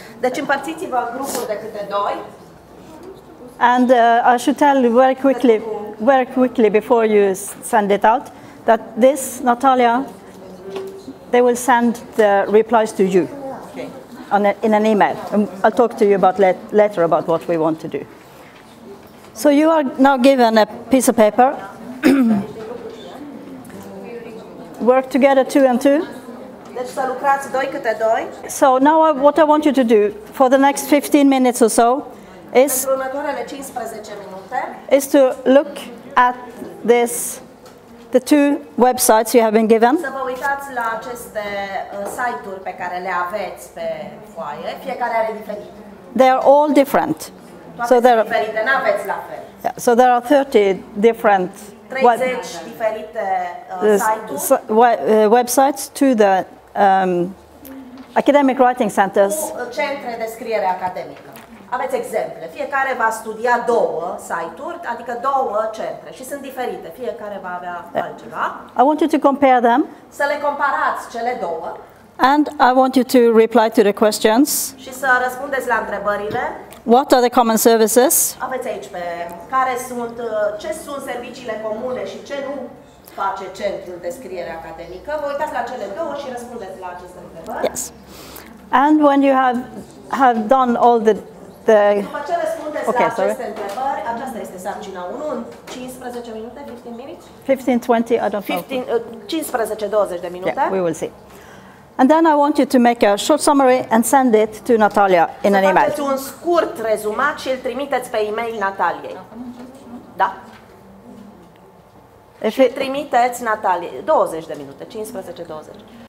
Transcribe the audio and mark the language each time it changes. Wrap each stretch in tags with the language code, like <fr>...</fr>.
<ro>Deci împărțiți-vă grupul de câte doi.</ro> <en>And I should tell you very quickly before you send it out, that this, Natalia, they will send the replies to you. In an email. I'll talk to you about later about what we want to do. So you are now given a piece of paper. Work together two and two.</en> <ro>Deci să lucrați doi câte doi.</ro> <en>So now what I want you to do for the next 15 minutes or so is</en> <ro>următoarele 15 minute.</ro> <en>Is to look at this, the two websites you have been given.</en> <ro>Să vă uitați la aceste site-uri pe care le aveți pe foaie. Fiecare are diferit.</ro> <en>They are all different.</en> <ro>Toate so there are diferite, n-aveți la fel.</ro> <en>Yeah, so there are 30 different</en> <ro>30 diferite</ro> <en>websites to the academic writing centers.</en> <ro>Centre de scriere academică. Aveți exemple. Fiecare va studia două site-uri, adică două centre și sunt diferite. Fiecare va avea altceva.</ro> <en>I want you to compare them.</en> <ro>Să le comparați cele două.</ro> <en>And I want you to reply to the questions.</en> <ro>Și să răspundeți la întrebările.</ro> <en>What are the common services?</en> <ro>Aveți aici pe care sunt, ce sunt serviciile comune și ce nu face centrul de scriere academică. Vă uitați la cele două și răspundeți la aceste întrebări.</ro> <en>Yes. And when you have done all the</en> <ro>după ce răspundeți la aceste întrebări, aceasta este sarcina 1, în 15 minute, 15 minutes?</ro> <en>15, 20, I don't know.</en> <ro>15-20 de minute.</ro> <en>Yeah, we will see. And then I want you to make a short summary and send it to Natalia in an email.</en> <ro>Să faceți un scurt rezumat și îl trimiteți pe e-mail Nataliei. Da? Și trimiteți Natalie 20 de minute, 15-20.</ro>